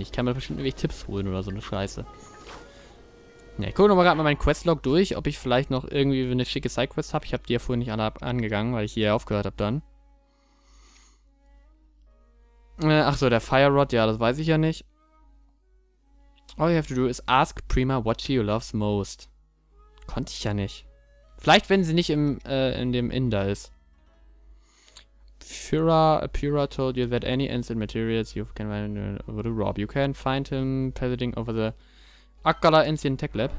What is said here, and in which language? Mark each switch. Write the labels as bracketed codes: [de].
[de] Ich kann mir bestimmt irgendwelche Tipps holen oder so eine Scheiße. Ja, ich gucke nochmal gerade mal meinen Questlog durch, ob ich vielleicht noch irgendwie eine schicke Sidequest habe. Ich habe die ja vorhin nicht alle angegangen, weil ich hier aufgehört habe dann. Ach so, der Fire Rod, ja, das weiß ich ja nicht. [en] All you have to do is ask Prima what she loves most. [de] Konnte ich ja nicht. Vielleicht, wenn sie nicht im, in dem Inn da ist. [en] Pura told you that any instant materials you can find over the Rob. You can find him presiding over the Akala Ancient Tech Lab.